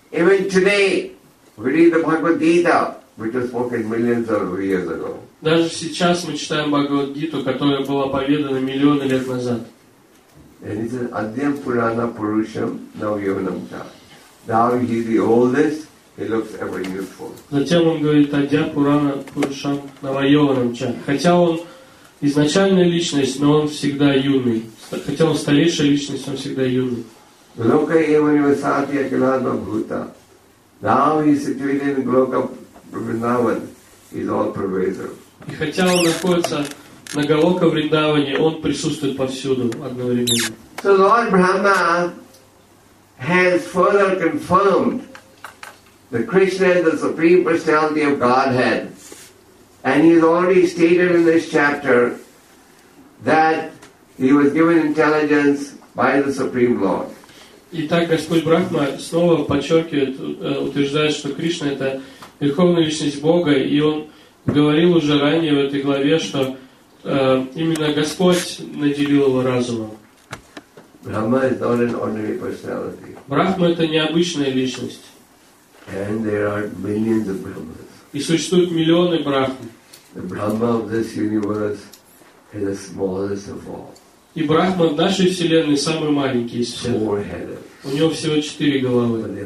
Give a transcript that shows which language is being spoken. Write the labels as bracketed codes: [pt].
[en] Even today, we read the Bhagavad Gita, which was spoken millions of years ago. [ru] Даже сейчас мы читаем Бхагавад Гиту, которая была поведана миллионы лет назад. [en] And it says, [sa] Adhyam Purana Purusham Navyavanam Cha. [en] Now he is the oldest, he looks ever youthful. [ru] Затем он говорит, [sa] Адья Пурана Пурушам Навайованам Ча. [ru] Хотя он изначальная личность, но он всегда юный. Хотя он старейшая личность, он всегда юный. [sa] Loka Eva Nivasati Akilana Bhuta. [en] Now he is situated in Goloka Vrindavan, he is all pervasive. [ru] И хотя он находится на Голока Вриндаване, он присутствует повсюду одновременно. [en] So Lord Brahma has further confirmed that Krishna is the Supreme Personality of Godhead. And he has already stated in this chapter that he was given intelligence by the Supreme Lord. [ru] И так Господь Брахма снова подчеркивает, утверждает, что Кришна — это Верховная Личность Бога, и Он говорил уже ранее в этой главе, что именно Господь наделил его разумом. [en] Brahma is not an ordinary personality. [ru] Брахма — это необычная личность. [en] And there are millions of Brahmas. [ru] И существуют миллионы Брахм. [en] The Brahma of this universe is the smallest of all. [ru] И Брахма в нашей Вселенной самый маленький из всех. У него всего 4 головы.